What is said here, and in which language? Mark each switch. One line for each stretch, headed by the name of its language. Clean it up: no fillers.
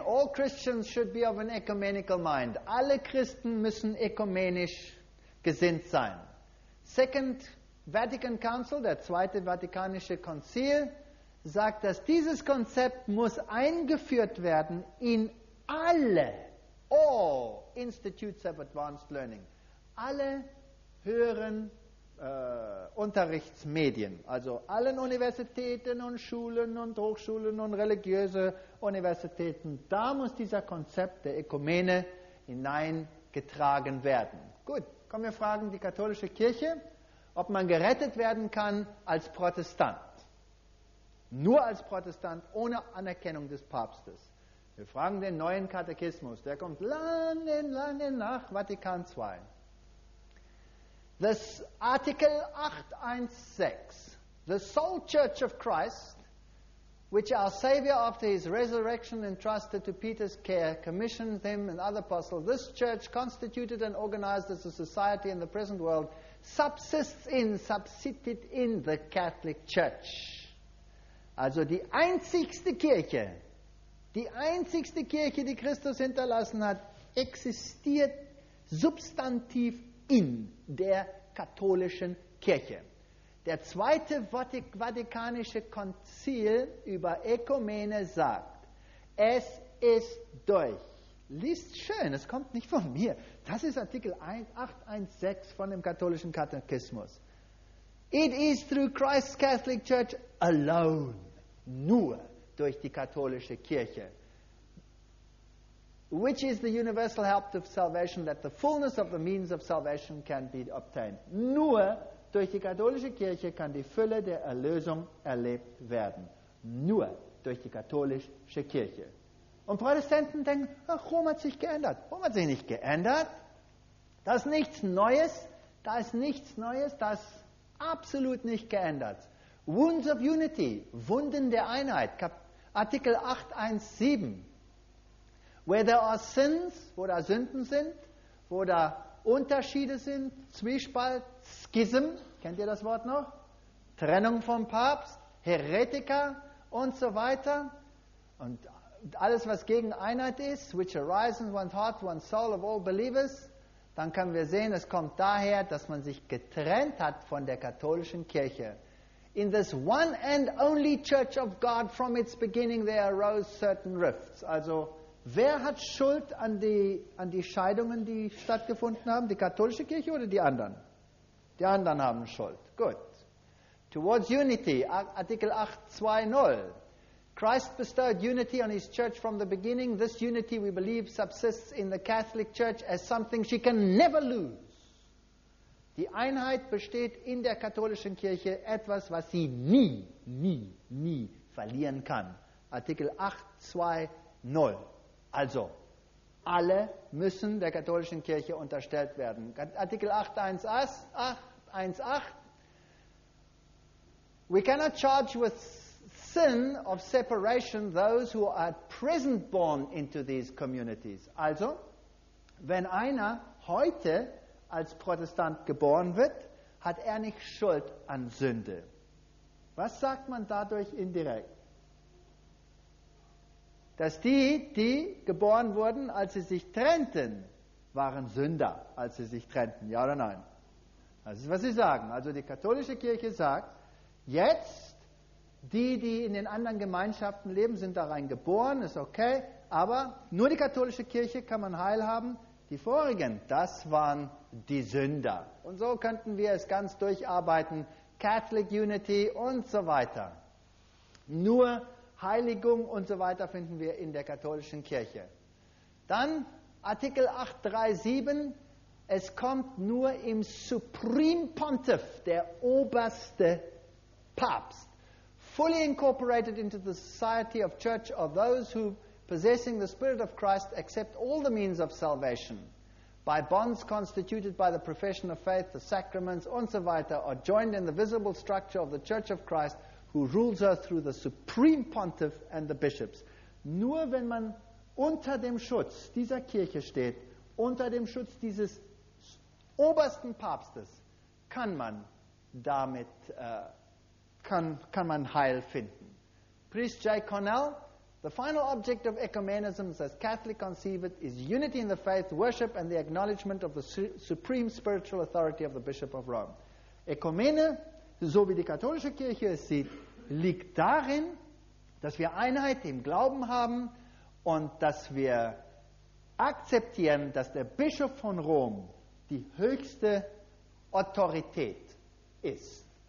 English: All Christians should be of an ecumenical mind.
German: Alle Christen müssen ökumenisch gesinnt sein. Second Vatican Council, der zweite Vatikanische Konzil, sagt, dass dieses Konzept muss eingeführt werden in
English: all Institutes of Advanced Learning,
German: alle höheren Unterrichtsmedien, also allen Universitäten und Schulen und Hochschulen und religiöse Universitäten, da muss dieser Konzept der Ökumene hineingetragen werden. Gut, kommen wir fragen die katholische Kirche, ob man gerettet werden kann als Protestant. Nur als Protestant, ohne Anerkennung des Papstes. Wir fragen den neuen Katechismus, der kommt lange, lange nach Vatikan II.
English: This Article 816, the sole Church of Christ, which our Savior, after his resurrection, entrusted to Peter's care, commissioned them and other apostles. This church, constituted and organized as a society in the present world, subsisted in the Catholic Church.
German: Also die einzigste Kirche, die Christus hinterlassen hat, existiert substantiv in der katholischen Kirche. Der zweite Vatikanische Konzil über Ökumene sagt, es ist durch. Liest schön, es kommt nicht von mir. Das ist Artikel 816 von dem katholischen Katechismus.
English: It is through Christ's Catholic Church alone.
German: Nur durch die katholische Kirche.
English: Which is the universal help of salvation, that the fullness of the means of salvation can be obtained.
German: Nur durch die katholische Kirche kann die Fülle der Erlösung erlebt werden. Nur durch die katholische Kirche. Und Protestanten denken, ach, Rom hat sich geändert. Rom hat sich nicht geändert. Da ist nichts Neues, da ist absolut nicht geändert.
English: Wounds of Unity,
German: Wunden der Einheit, Artikel 817.
English: Where there are sins,
German: wo da Sünden sind, wo da Unterschiede sind, Zwiespalt, Schism, kennt ihr das Wort noch? Trennung vom Papst, Heretiker und so weiter. Und alles, was gegen Einheit ist,
English: which arises in one heart, one soul of all believers,
German: dann können wir sehen, es kommt daher, dass man sich getrennt hat von der katholischen Kirche.
English: In this one and only church of God from its beginning there arose certain rifts.
German: Also, wer hat Schuld an die Scheidungen, die stattgefunden haben? Die katholische Kirche oder die anderen? Die anderen haben Schuld. Gut.
English: Towards unity,
German: Artikel 8.2.0.
English: Christ bestowed unity on his church from the beginning. This unity, we believe, subsists in the Catholic Church as something she can never lose.
German: Die Einheit besteht in der katholischen Kirche, etwas, was sie nie, nie, nie verlieren kann. Artikel 8.2.0. Also, alle müssen der katholischen Kirche unterstellt werden. Artikel 8.1.8.
English: We cannot charge with sin of separation those who are at present born into these communities.
German: Also, wenn einer heute als Protestant geboren wird, hat er nicht Schuld an Sünde. Was sagt man dadurch indirekt? Dass die geboren wurden, als sie sich trennten, waren Sünder, als sie sich trennten. Ja oder nein? Das ist, was sie sagen. Also die katholische Kirche sagt, jetzt, die in den anderen Gemeinschaften leben, sind darin geboren, ist okay, aber nur die katholische Kirche kann man heil haben. Die vorigen, das waren die Sünder. Und so könnten wir es ganz durcharbeiten.
English: Catholic Unity
German: und so weiter. Nur Heiligung und so weiter finden wir in der katholischen Kirche. Dann Artikel 837, es kommt nur im
English: Supreme Pontiff,
German: der oberste Papst,
English: fully incorporated into the society of church of those who possessing the Spirit of Christ accept all the means of salvation by bonds constituted by the profession of faith, the sacraments
German: und so weiter,
English: are joined in the visible structure of the Church of Christ, who rules her through the supreme pontiff and the bishops.
German: Nur wenn man unter dem Schutz dieser Kirche steht, unter dem Schutz dieses obersten Papstes, kann man damit kann man Heil finden.
English: Priest J. Cornell, the final object of ecumenism, as Catholic conceived, is unity in the faith, worship and the acknowledgement of the supreme spiritual authority of the Bishop of Rome.
German: Ekumene, so wie die katholische Kirche es sieht, liegt darin, dass wir Einheit im Glauben haben und dass wir akzeptieren, dass der Bischof von Rom die höchste Autorität ist.